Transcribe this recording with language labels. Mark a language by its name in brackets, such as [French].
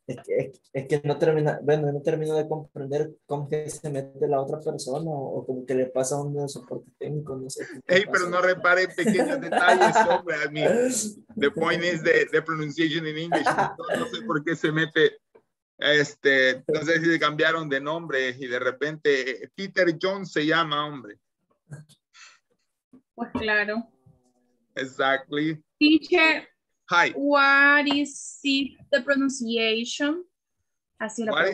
[Spanish] Es que no termina, bueno, no termino de comprender cómo que se mete la otra persona o como que le pasa a un soporte técnico, no sé. Hey, pero no repare pequeños detalles, hombre. [English] I mean, the point is the pronunciation in English. [Spanish] No sé por qué se mete, no sé si le cambiaron de nombre y de repente Peter Jones se llama, hombre. Pues claro. [English] Exactly. Teacher. Hi. What is the pronunciation? [Spanish] Así la